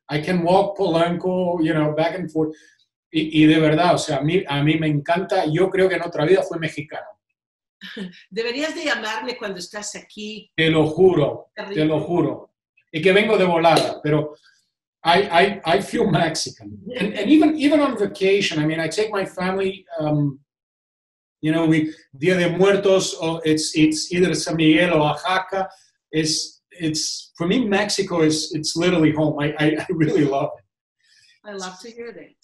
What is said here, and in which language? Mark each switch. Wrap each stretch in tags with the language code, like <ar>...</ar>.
<en>I can walk Polanco, you know, back and forth.</en> <es>Y de verdad, o sea, a mí me encanta. Yo creo que en otra vida fue mexicano. Deberías de llamarme cuando estás aquí. Te lo juro. Y que vengo de volada, pero</es> <en>I feel Mexican. And even on vacation, I mean, I take my family. You know, we Día de Muertos, or it's either San Miguel or Oaxaca. It's for me, Mexico is literally home. I really love it. I love to hear that.</en>